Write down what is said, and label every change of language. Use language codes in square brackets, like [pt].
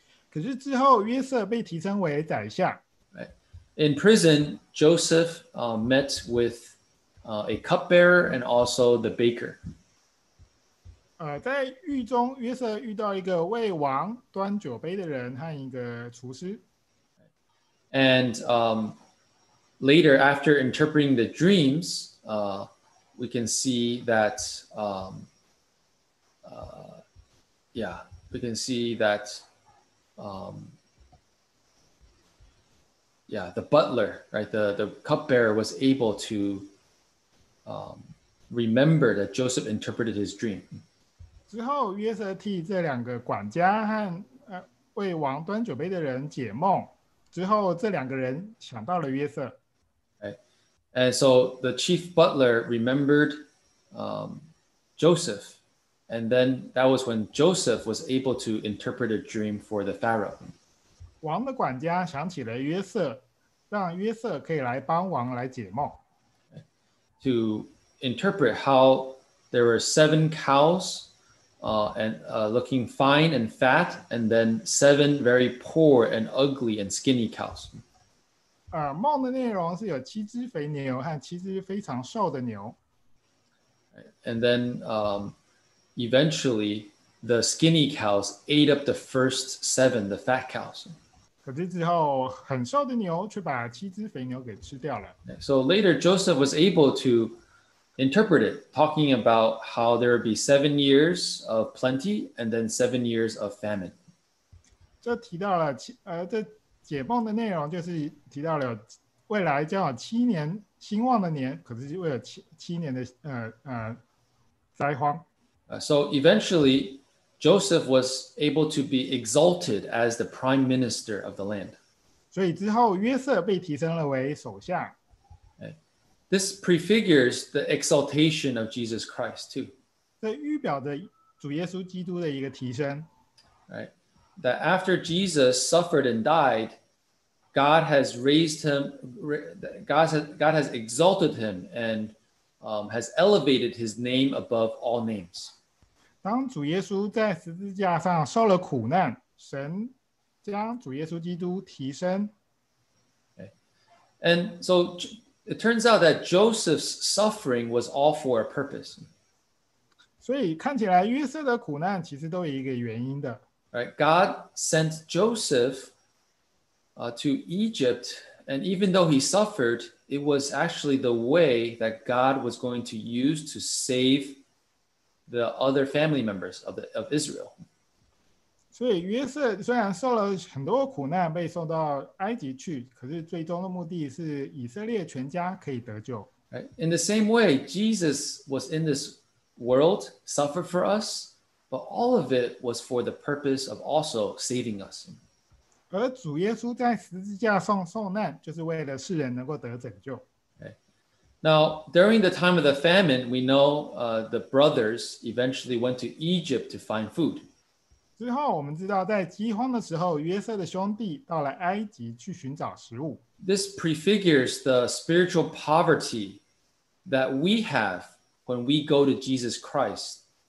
[zh] 可是之后约瑟被提升为宰相。 [en] In prison, Joseph met with a cupbearer and also the baker. [zh] 在狱中，约瑟遇到一个为王端酒杯的人和一个厨师。 [en] And later, after interpreting the dreams, we can see that the butler, right, the cupbearer was able to remember that Joseph interpreted his dream. [zh] 之后，约瑟替这两个管家和为王端酒杯的人解梦。之后，这两个人想到了约瑟。 [en] And so the chief butler remembered Joseph. And then that was when Joseph was able to interpret a dream for the Pharaoh. [zh] 王的管家想起了约瑟，让约瑟可以来帮王来解梦。 [en] To interpret how there were seven cows looking fine and fat, and then seven very poor and ugly and skinny cows. [zh] 梦的内容是有七只肥牛和七只非常瘦的牛。 [en] And then eventually the skinny cows ate up the first seven, the fat cows. [zh] 可是之后很瘦的牛却把七只肥牛给吃掉了。 [en] So later Joseph was able to interpret it, talking about how there would be 7 years of plenty and then 7 years of famine. [zh] 这提到了这解梦的内容就是提到了未来将有七年兴旺的年，可是会有七年的灾荒。 [en] So eventually, Joseph was able to be exalted as the prime minister of the land. [zh] 所以之后约瑟被提升了为首相。 [en] This prefigures the exaltation of Jesus Christ too. [zh] 这预表着主耶稣基督的一个提升。 [en] Right. That after Jesus suffered and died, God has raised him, God has exalted him and has elevated his name above all names. [zh] 当主耶稣在十字架上受了苦难，神将主耶稣基督提升。 [en] Okay. And so it turns out that Joseph's suffering was all for a purpose. [zh] 所以看起来约瑟的苦难其实都有一个原因的。 [en] Right, God sent Joseph to Egypt And even though he suffered, it was actually the way that God was going to use to save the other family members of Israel. [zh] 所以约瑟虽然受了很多苦难, 被送到埃及去, 可是最终的目的是以色列全家可以得救。 [en] In the same way, Jesus was in this world, suffered for us, but all of it was for the purpose of also saving us. [zh] 而主耶稣在十字架上受难, 就是为了世人能够得拯救。 [en] Now, during the time of the famine, we know the brothers eventually went to Egypt to find food. [zh] 之后我们知道在饥荒的时候, 约瑟的兄弟到了埃及去寻找食物。 [en] This prefigures the spiritual poverty that we have when we go to Jesus Christ.